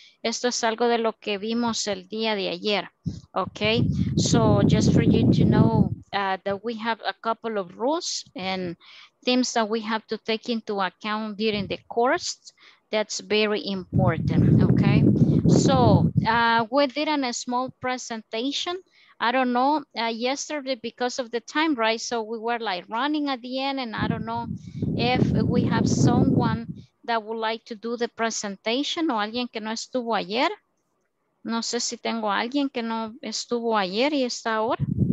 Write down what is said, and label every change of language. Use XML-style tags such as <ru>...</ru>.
<es>Esto es algo de lo que vimos el día de ayer, okay.</es> <en>So just for you to know that we have a couple of rules and things that we have to take into account during the course. That's very important, okay. So we did a small presentation. I don't know, yesterday because of the time, right? So we were like running at the end, and I don't know if we have someone that would like to do the presentation</en> <es>o alguien que no estuvo ayer. No sé si tengo a alguien que no estuvo ayer y está ahora.</es>